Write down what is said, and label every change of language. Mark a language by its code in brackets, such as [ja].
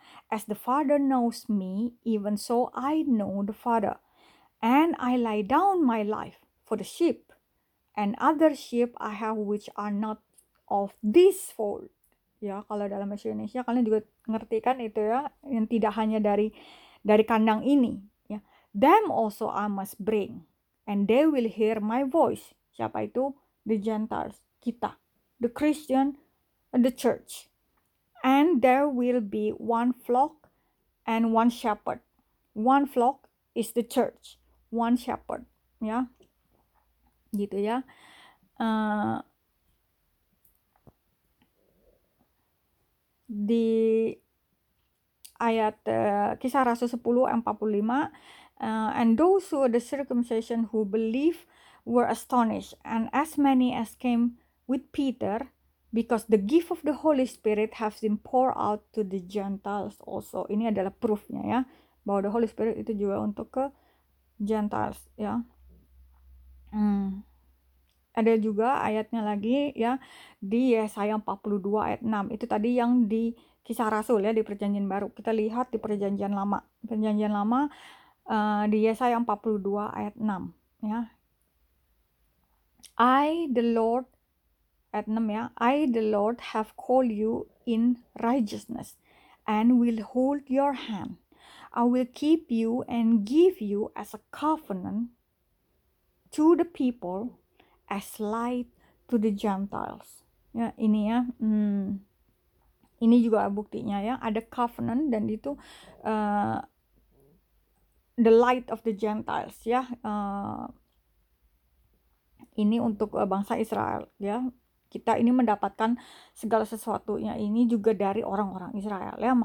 [en] As the Father knows me, even so I know the Father. And I lay down my life for the sheep. And other sheep I have which are not of this fold. [id] Ya, kalau dalam bahasa Indonesia kalian juga ngerti kan itu ya. Yang tidak hanya dari kandang ini. [en] Ya. Them also I must bring. And they will hear my voice. [id] Siapa itu? [en] The Gentiles. Kita. The Christian. The church. And there will be one flock and one shepherd. One flock is the church. One shepherd. Ya. [id] Gitu ya. Di ayat Kisah Rasul 10:45. [en] And those who are the circumcision who believe were astonished. And as many as came with Peter, because the gift of the Holy Spirit has been poured out to the Gentiles also. [id] Ini adalah proofnya ya. Bahwa the Holy Spirit itu juga untuk ke Gentiles ya. Ada juga ayatnya lagi ya. Di Yesaya 42 ayat 6. Itu tadi yang di Kisah Rasul ya. Di Perjanjian Baru. Kita lihat di Perjanjian Lama. Perjanjian Lama di Yesaya 42 ayat 6 ya. [en] I the Lord. At 6 ya, I the Lord have called you in righteousness and will hold your hand. I will keep you and give you as a covenant to the people as light to the Gentiles. [id] Ya, ini ya. Ini juga buktinya ya, ada covenant dan itu the light of the Gentiles ya. Ini untuk bangsa Israel ya. Kita ini mendapatkan segala sesuatunya ini juga dari orang-orang Israel ya.